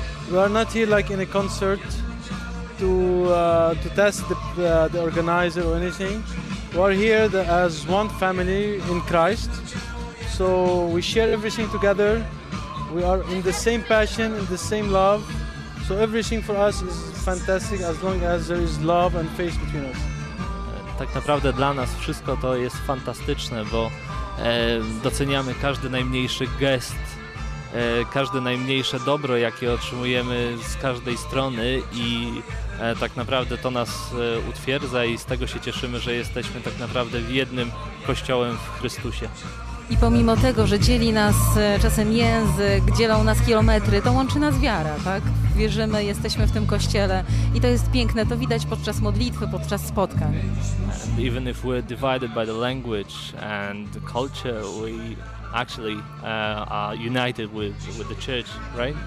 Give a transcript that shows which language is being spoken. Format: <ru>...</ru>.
<en>We are not here like in a concert to test the organizer or anything. We are here as one family in Christ. So we share everything together. We are in the same passion, in the same love. So everything for us is fantastic as long as there is love and faith between us.</en> <pl>Tak naprawdę dla nas wszystko to jest fantastyczne, bo doceniamy każdy najmniejszy gest, każde najmniejsze dobro, jakie otrzymujemy z każdej strony i tak naprawdę to nas utwierdza i z tego się cieszymy, że jesteśmy tak naprawdę jednym Kościołem w Chrystusie. I pomimo tego, że dzieli nas czasem język, dzielą nas kilometry, to łączy nas wiara, tak? Wierzymy, jesteśmy w tym Kościele i to jest piękne, to widać podczas modlitwy, podczas spotkań.</pl> <en>And even if we're divided by the language and the culture, we actually are united with the church, right?</en>